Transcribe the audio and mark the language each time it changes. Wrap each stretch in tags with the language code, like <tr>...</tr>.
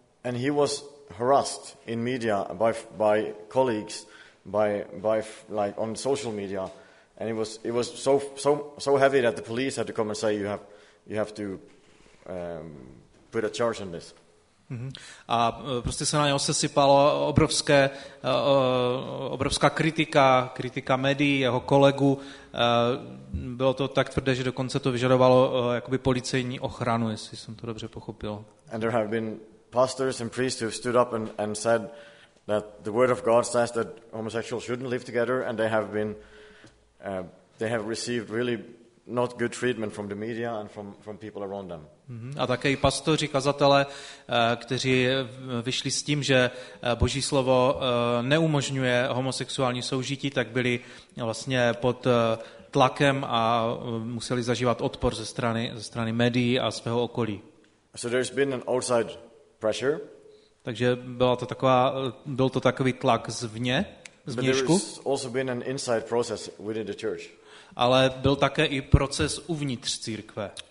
<en>And he was harassed in media by colleagues by like on social media and it was so heavy that the police had to come and say you have to put a charge on this.</en> <cs>A prostě se na něho sesypalo obrovská kritika médií, jeho kolegu. Bylo to tak tvrdé, že dokonce to vyžadovalo jakoby policejní ochranu, jestli jsem to dobře pochopil.</cs> <en>And there have been pastors and priests who have stood up and said that the word of God says that homosexuals shouldn't live together and they have received really not good treatment from the media and from people around them.</en> <cs>A také i pastoři, kazatelé, kteří vyšli s tím, že Boží slovo neumožňuje homosexuální soužití, tak byli vlastně pod tlakem a museli zažívat odpor ze strany médií a svého okolí.</cs> <en>So there's been an outside pressure.</en> <cs>Takže byl to takový tlak zvně, zvnějšku.</cs> <en>But there's also been an inside process within the church.</en> <cs>Ale byl také i proces uvnitř církve.</cs>